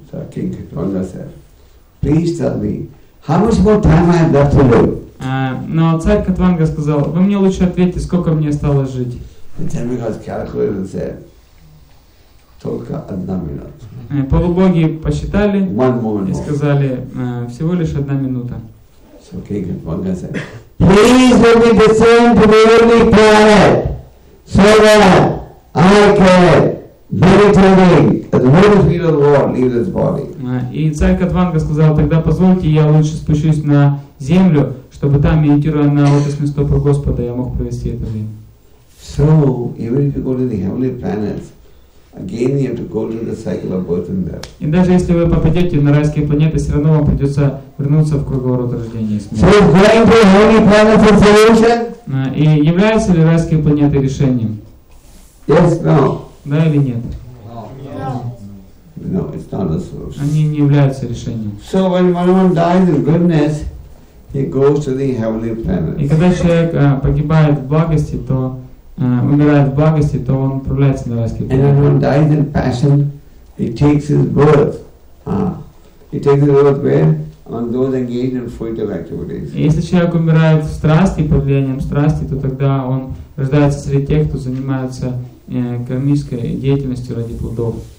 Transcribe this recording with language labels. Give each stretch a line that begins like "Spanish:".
English: Please tell me, how much more time I have left to live?
Russian: Но царь Катванга сказал, вы мне лучше ответьте, сколько мне осталось жить.
English: And then we got calculated and said,
Russian: только одна минута. Полубоги посчитали и сказали, всего лишь одна минута.
English: So King Katvanga said, please let me descend to the heavenly planet, so that I can meditating at the very feet of the Lord leave his body.
Russian: И царь Катванга сказал, тогда позвольте, я лучше спущусь на землю, чтобы там, медитируя на лотосные стопы Господа, я мог провести это время.
English: So, even if you go to the heavenly planets, again you have to go through the cycle of birth and death.
Russian: И даже если вы попадете на райские планеты, все равно вам придется вернуться в круговорот рождения и смерти.
English: So, going to the heavenly planets a solution?
Russian: И являются ли райские планеты решением?
English: Yes, no.
Russian: Да или нет?
English: No, it's not a solution.
Russian: Они не являются решением.
English: So when one dies in goodness, he goes to the heavenly planet.
Russian: И когда человек погибает в благости, то умирает в благости, то он отправляется на райский планет.
English: And when one dies in passion, he takes his birth. He takes his birth where? On those engaged in fruitive activities.
Russian: И если человек умирает в страсти, под влиянием страсти, то тогда он рождается среди тех, кто занимается кармической деятельностью ради плодов.